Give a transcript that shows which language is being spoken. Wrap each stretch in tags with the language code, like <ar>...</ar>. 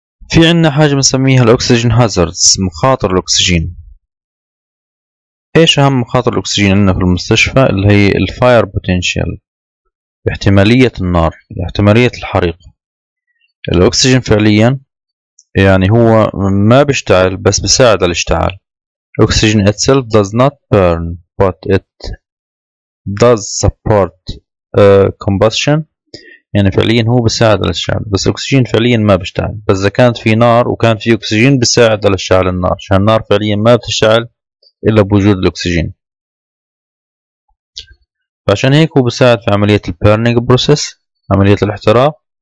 <ar>في عندنا حاجة بنسميها الأكسجين hazards، مخاطر الأكسجين. إيش أهم مخاطر الأكسجين عندنا في المستشفى؟ اللي هي</ar> <en>الفاير بوتنشال،</en> <ar>احتمالية النار، احتمالية الحريق. الأكسجين فعليا يعني هو ما بيشتعل بس بيساعد على الاشتعال.</ar> <en>Oxygen itself does not burn, but it does support combustion.</en> <ar>يعني فعلياً هو بيساعد على الشعل، بس الأكسجين فعلياً ما بيشتعل. بس إذا كانت في نار وكان في أكسجين بيساعد على الشعل النار، عشان النار فعلياً ما بتشتعل إلا بوجود الأكسجين. فعشان هيك هو بيساعد في عملية</ar> <en>البيرنينج بروسيس،</en> <ar>عملية الاحتراق.</ar>